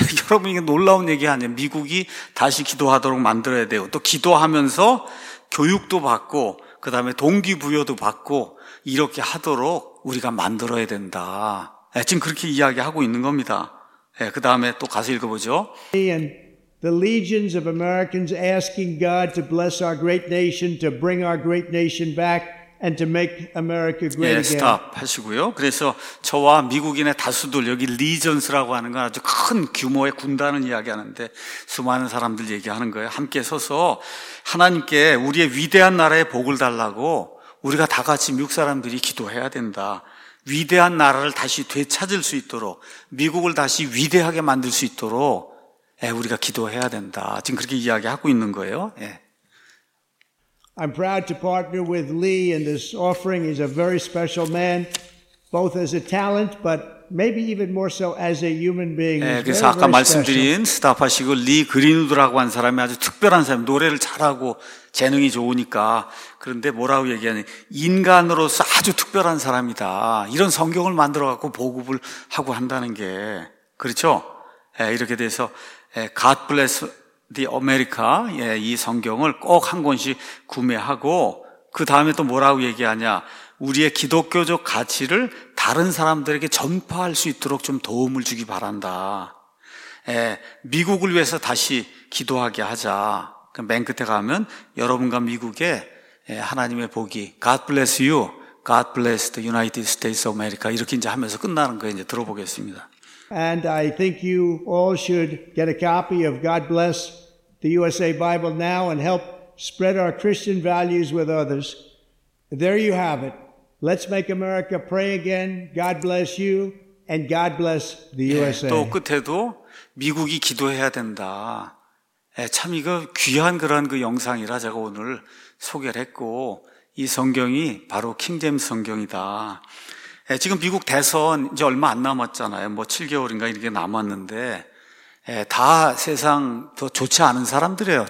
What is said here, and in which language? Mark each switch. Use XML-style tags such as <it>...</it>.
<ko>여러분 이게 놀라운 얘기 아니에요. 미국이 다시 기도하도록 만들어야 돼요. 또 기도하면서 교육도 받고 그다음에 동기부여도 받고 이렇게 하도록 우리가 만들어야 된다. 지금 그렇게 이야기하고 있는 겁니다. 그다음에 또 가서 읽어보죠.</ko> <en>The legions of Americans asking God to bless our great nation, to bring our great nation back. And to make America great again.</en> <ko>스탑 하시고요. 그래서 저와 미국인의 다수들 여기 리전스라고 하는 건 아주 큰 규모의 군단을 이야기하는데 수많은 사람들 얘기하는 거예요. 함께 서서 하나님께 우리의 위대한 나라의 복을 달라고 우리가 다 같이 미국 사람들이 기도해야 된다. 위대한 나라를 다시 되찾을 수 있도록 미국을 다시 위대하게 만들 수 있도록 우리가 기도해야 된다. 지금 그렇게 이야기하고 있는 거예요.</ko> <en>I'm proud to partner with Lee in this offering. He's a very special man, both as a talent, but maybe even more so as a human being.</en> <ko>예, 그래서 very, 아까 very 말씀드린 스타파시고 리 그린우드라고 한 사람이 아주 특별한 사람, 노래를 잘하고 재능이 좋으니까. 그런데 뭐라고 얘기하니, 인간으로서 아주 특별한 사람이다. 이런 성경을 만들어 갖고 보급을 하고 한다는 게 그렇죠? 예, 이렇게 돼서 예,</ko> <en>God bless the America.</en> <ko>예, 이 성경을 꼭 한 권씩 구매하고 그 다음에 또 뭐라고 얘기하냐? 우리의 기독교적 가치를 다른 사람들에게 전파할 수 있도록 좀 도움을 주기 바란다. 예, 미국을 위해서 다시 기도하게 하자. 그럼 맨 끝에 가면 여러분과 미국에 예, 하나님의 복이</ko> <en>God bless you, God bless the United States of America</en> <ko>이렇게 이제 하면서 끝나는 거 이제 들어보겠습니다.</ko> <en>And I think you all should get a copy of God Bless the USA Bible now and help spread our Christian values with others. There you have it. Let's make America pray again. God bless you and God bless the USA.</en> <ko>예, 또 끝에도 미국이 기도해야 된다. 예, 참 이거 귀한 그런 그 영상이라 제가 오늘 소개를 했고 이 성경이 바로 킹제임스 성경이다. 예, 지금 미국 대선 이제 얼마 안 남았잖아요. 뭐 7개월인가 이렇게 남았는데 예, 다 세상 더 좋지 않은 사람들이에요.</ko>